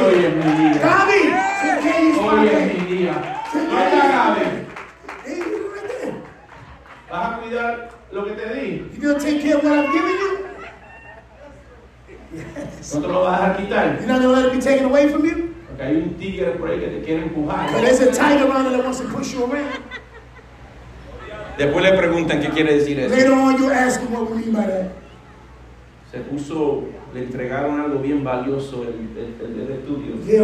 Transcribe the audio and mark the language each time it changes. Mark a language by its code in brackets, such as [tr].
[es] Hoy es mi día. [en] Gabi, today is [es] hoy [en] my day. [es] Hoy es mi día. [en] Today is my day. Gabi. Hey, you right there. [es] ¿Vas a cuidar lo que te di? [en] You're going to take care of what I've given you? [es] Yes. ¿No te lo vas a quitar? [en] You're not going to let it be taken away from you? [es] Porque hay un tigre por ahí que te quiere empujar. [en] But there's a tiger around that wants to push you around. [es] Después le preguntan qué quiere decir eso. [en] Later on, you're asking what we mean by that. [es] Se puso, le entregaron algo bien valioso el estudio.